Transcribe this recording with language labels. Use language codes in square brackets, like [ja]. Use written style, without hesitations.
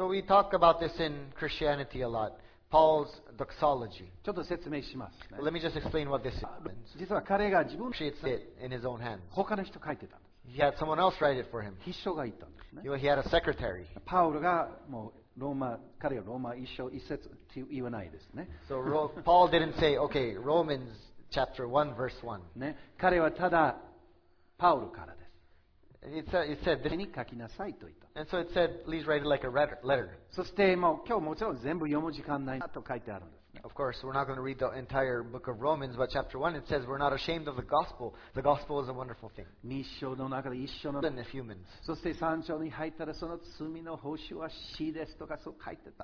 [en] So we talk about this in Christianity a lot. Paul's doxology. [ja] ちょっと説明します、ね。 [en] Let me just explain what this means. [ja] 実は彼が自分で書いてた。他の人書いてた。 [en] He had someone else write it for him. [ja] 秘書がいたんですね。 [en] He had a secretary. [ja] パウロがもうローマ、彼はローマ一章一節と言わないですね。 [en] So Paul didn't say, okay, Romans chapter 1 verse 1. [ja] ね、彼はただパウロからです。 [en] It said this. [ja] 手に書きなさいと言った。 [en] And so it said, please write it like a letter. [ja] そしてもう今日もちろん全部読む時間ないと書いてあるんです。 [en] Of course, we're not going to read the entire book of Romans, but chapter 1, it says we're not ashamed of the gospel. The gospel is a wonderful thing. [ja] 2章の中で1章の中で [en] humans. [ja] そして3章に入ったらその罪の報酬は死ですとかそう書いてた。